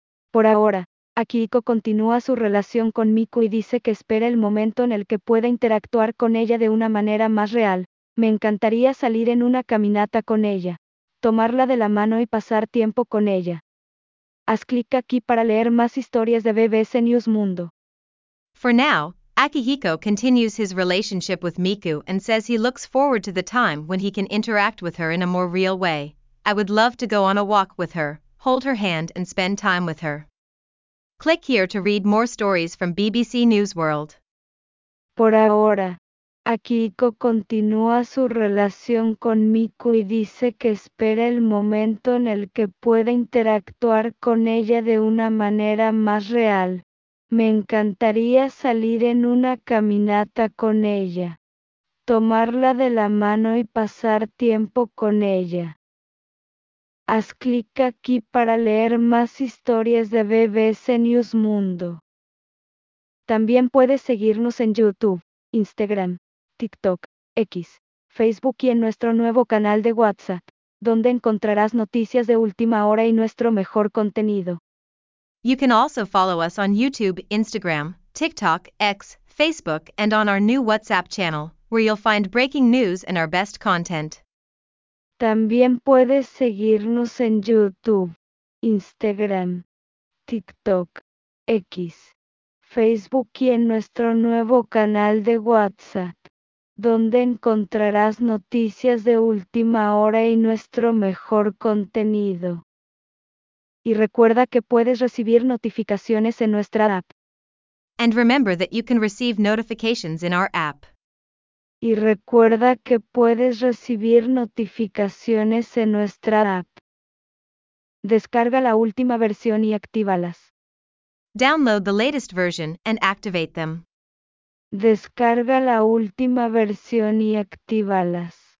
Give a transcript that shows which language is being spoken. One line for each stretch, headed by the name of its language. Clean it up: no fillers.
Spanish: Por ahora, Akiko continúa su relación con Miku y dice que espera el momento en el que pueda interactuar con ella de una manera más real. Me encantaría salir en una caminata con ella, tomarla de la mano y pasar tiempo con ella. Haz clic aquí para leer más historias de BBC News Mundo.
English: For now, Akihiko continues his relationship with Miku and says he looks forward to the time when he can interact with her in a more real way. I would love to go on a walk with her, hold her hand and spend time with her. Click here to read more stories from BBC News World.
Spanish: Por ahora, Akihiko continúa su relación con Miku y dice que espera el momento en el que pueda interactuar con ella de una manera más real. Me encantaría salir en una caminata con ella, tomarla de la mano y pasar tiempo con ella. Haz clic aquí para leer más historias de BBC News Mundo. También puedes seguirnos en YouTube, Instagram, TikTok, X, Facebook y en nuestro nuevo canal de WhatsApp, donde encontrarás noticias de última hora y nuestro mejor contenido.
English: You can also follow us on YouTube, Instagram, TikTok, X, Facebook, and on our new WhatsApp channel, where you'll find breaking news and our best content.
Spanish: También puedes seguirnos en YouTube, Instagram, TikTok, X, Facebook y en nuestro nuevo canal de WhatsApp, donde encontrarás noticias de última hora y nuestro mejor contenido. Y recuerda que puedes recibir notificaciones en nuestra app.
English: And remember that you can receive notifications in our app.
Spanish: Y recuerda que puedes recibir notificaciones en nuestra app. Descarga la última versión y actívalas.
English: Download the latest version and activate them.
Spanish: Descarga la última versión y actívalas.